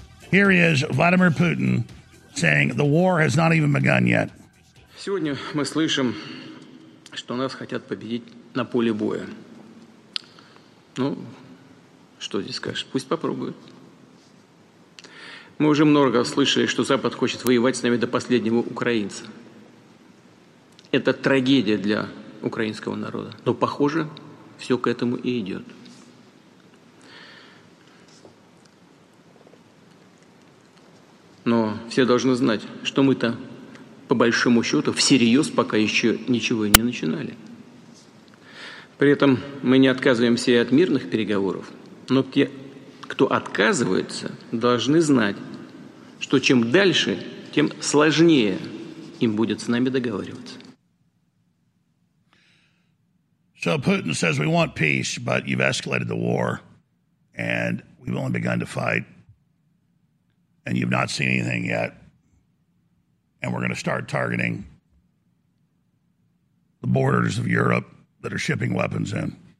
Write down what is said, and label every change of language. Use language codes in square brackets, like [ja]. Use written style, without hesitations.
[en] Here he is, Vladimir Putin, saying the war has not even begun yet. [ru] Сегодня мы слышим, что нас хотят победить на поле боя. Ну, что здесь скажешь? Пусть попробуют. Мы уже много слышали, что Запад хочет воевать с нами до последнего украинца. Это трагедия для украинского народа. Но, похоже, все к этому и идет. Но все должны знать, что мы-то, по большому счету, всерьез пока еще ничего и не начинали. При этом мы не отказываемся и от мирных переговоров, но те, кто отказывается, должны знать, что чем дальше, тем сложнее им будет с нами договариваться. [en] So Putin says we want peace, but you've escalated the war, and we've only begun to fight, and you've not seen anything yet, and we're going to start targeting the borders of Europe that are shipping weapons in.